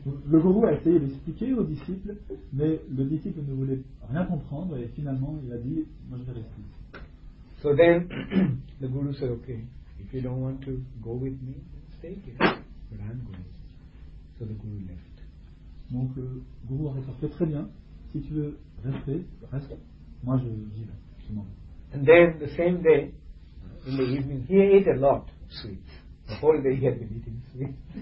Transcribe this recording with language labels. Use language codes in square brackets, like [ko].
[fr] Le gourou a essayé d'expliquer au disciple, mais le disciple ne voulait rien comprendre et finalement il a dit, moi je vais rester ici. [en] So then the guru said, okay, if you don't want to go with me, stay here. But I'm going. So the guru left. [fr] Donc le gourou a répondu, très bien, si tu veux rester, reste. Moi je vais vivre. [en] And then the same day, in the evening, he ate a lot of sweets. The whole day he had been eating sweets.